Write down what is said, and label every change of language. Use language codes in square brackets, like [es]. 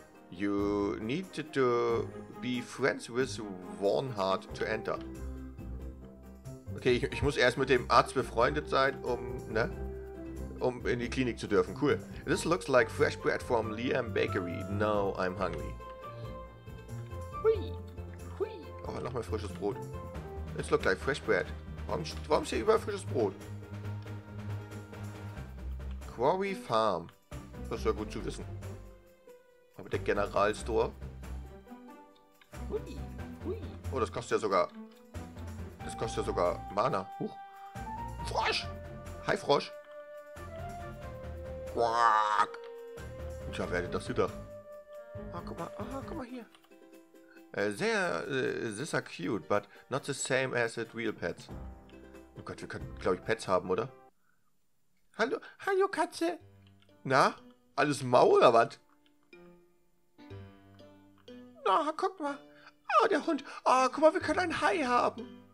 [en] You need to be friends with Warnhardt to enter. [de] Okay, ich muss erst mit dem Arzt befreundet sein, um in die Klinik zu dürfen. Cool. [en] This looks like fresh bread from Liam Bakery. Now I'm hungry. Hui. Hui. [de] Oh, noch mal frisches Brot. [en] This looks like fresh bread. [de] Warum ist hier überall frisches Brot? Quarry Farm. Das ist ja gut zu wissen. Aber der Generalstore. Hui. Hui. Oh, das kostet ja sogar... Das kostet ja sogar Mana. Huch. Frosch! Hi, Frosch! Quack! Tja, wer denn das wieder? Oh, guck mal. Oh, guck mal hier. [en] Sehr, this are cute, but not the same as the real pets. [de] Oh Gott, wir können, glaube ich, Pets haben, oder? Hallo, hallo, Katze! Na, alles mau oder was? Na, oh, guck mal. Oh, der Hund. Oh, guck mal, wir können ein Hai haben.